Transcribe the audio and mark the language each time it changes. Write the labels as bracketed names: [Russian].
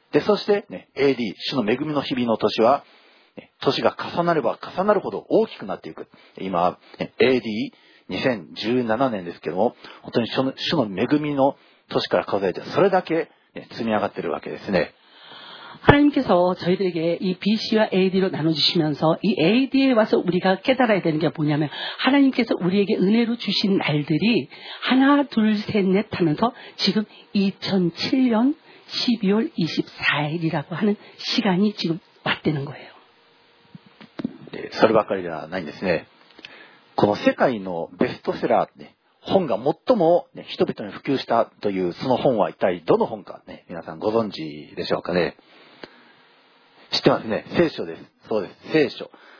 [Japanese] で、そして、ね、AD、主の恵みの日々の年は、ね、年が重なれば重なるほど大きくなっていく。今、ね、AD、2017年ですけども、本当に主の恵みの年から数えてそれだけ、ね、積み上がっているわけですね。 [Korean] 하나님께서저희들에게이 BC 와 AD 로나눠주시면서이 AD 에와서우리가깨달아야되는게뭐냐면하나님께서우리에게은혜로주신날들이하나둘셋넷하면서지금2007년12월24일이라고하는시간이지금맞대는거예요。 [Japanese] 네、そればっかりではないんですね。この世界のベストセラー、ね、本が最も、ね、人々に普及したというその本は一体どの本か、ね、皆さんご存知でしょうかね。知ってますね。聖書です。そうです。聖書。